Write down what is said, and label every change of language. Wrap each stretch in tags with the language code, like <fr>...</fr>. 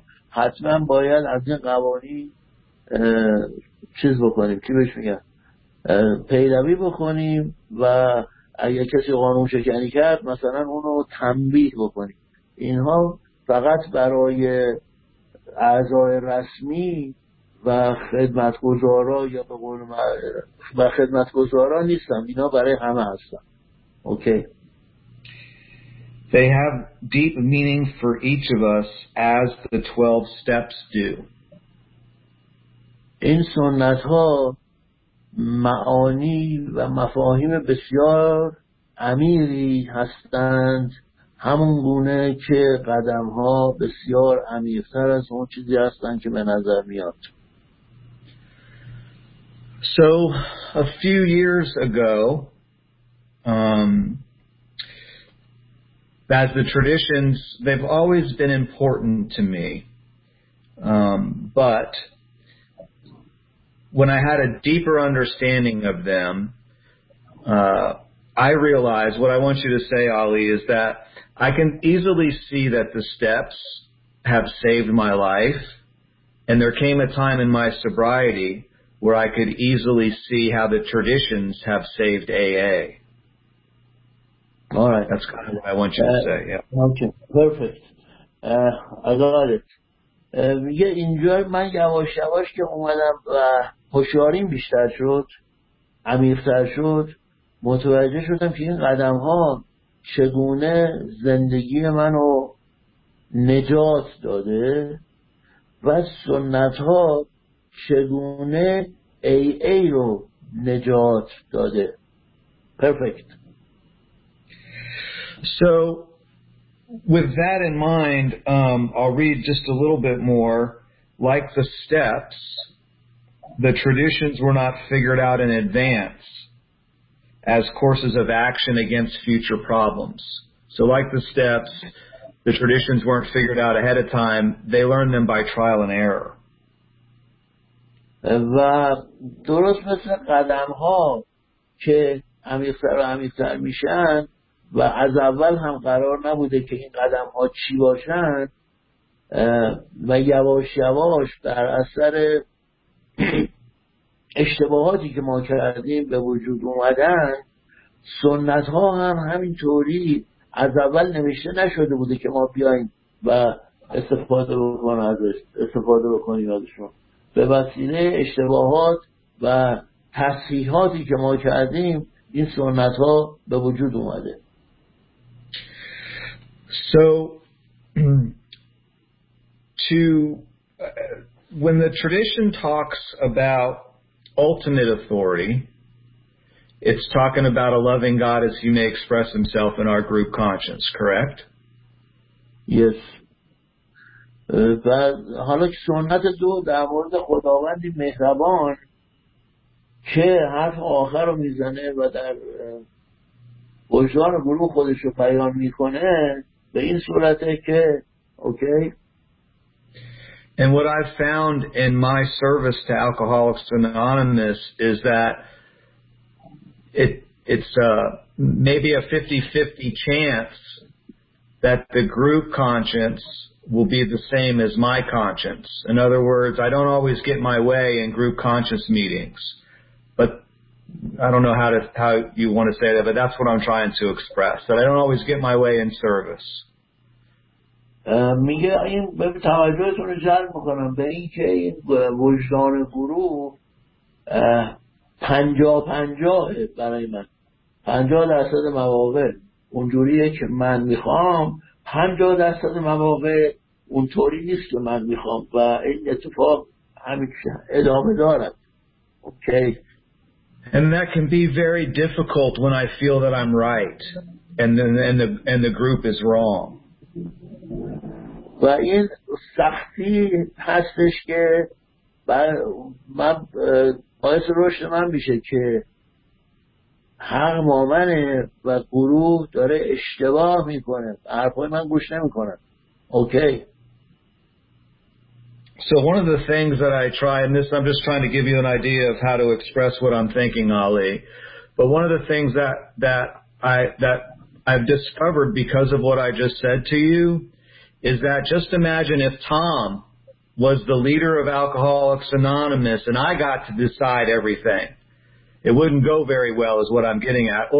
<fa>حتما باید از این قوانی چیز بکنیم، کی بهش میگن پیروی بکنیم، و اگه کسی قانون شکنی کرد مثلا اونو تنبیه بکنیم. اینها فقط برای اعضای رسمی و خدمتگزارا یا به قول و خدمتگزارا نیستن، اینا برای همه هستن.</fa> <en>Okay. They have deep meaning for each of us as the 12 steps do.</en> <fa>این سنت ها معانی و مفاهیم بسیار عمیقی هستند، همون گونه که قدم ها بسیار عمیق‌تر از اون چیزی هستند که به نظر میاد.</fa> <en>So a few years ago as the traditions, they've always been important to me. But when I had a deeper understanding of them, I realized what I want you to say, Ali, is that I can easily see that the steps have saved my life. And there came a time in my sobriety where I could easily see how the traditions have saved AA. All right. That's kind of what I want you to say, yeah. Okay, perfect. I got it.</en> <fa>میگه اینجا من یواش یواش که اومدم و هوشیاریم بیشتر شد، عمیق‌تر شد، متوجه شدم که این قدم ها چگونه زندگی منو نجات داده و سنت ها چگونه AA رو نجات داده.</fa> <en>Perfect. So with that in mind, I'll read just a little bit more. Like the steps, the traditions were not figured out in advance as courses of action against future problems. So like the steps, the traditions weren't figured out ahead of time. They learned them by trial and error.</en> <fa>و درست مثل قدم ها که عمیق‌تر و عمیق‌تر میشن و از اول هم قرار نبوده که این قدم ها چی باشن، و یواش یواش در اثر اشتباهاتی که ما کردیم به وجود اومدن. سنت ها هم همینطوری از اول نوشته نشده بوده که ما بیاییم و استفاده بکنیم ازشون. به وسیله اشتباهات و تصحیحاتی که ما کردیم این سنت ها به وجود اومده.</fa> <en>So to when the tradition talks about ultimate authority, it's talking about a loving God as he may express himself in our group conscience, correct? Yes.</en> <fa>و حالا سنت دو در مورد خداوند مهربان که حرف آخر رو میزنه و در وجدان گروه خودش رو پیان میکنه به این صورته که اوکی.</fa> <en>And what I've found in my service to Alcoholics Anonymous is that it's maybe a 50-50 chance that the group conscience will be the same as my conscience. In other words, I don't always get my way in group conscience meetings, but I don't know how you want to say that, but that's what I'm trying to express, that I don't always get my way in service.</en> <fa>میگه این به توجهتون رو جلب میکنم به این که این وجدان گروه 50-50 برای من، 50% مواقع اونجوریه که من میخوام، 50% مواقع اونطوری نیست که من میخوام و این اتفاق همیشه ادامه دارد.</fa> <en>Okay. And that can be very difficult when I feel that I'm right and the group is wrong.</en> <fa>و این سختی هستش که من باعث رشد من میشه که حق با منه و گروه داره اشتباه میکنه، حرفای من گوش نمیکنه.</fa> <en>Okay. So one of the things that I try, and this I'm just trying to give you an idea of how to express what I'm thinking, Ali, but one of the things that I've discovered because of what I just said to you is that just imagine if Tom was the leader of Alcoholics Anonymous and I got to decide everything, it wouldn't go very well is what I'm getting at.</en>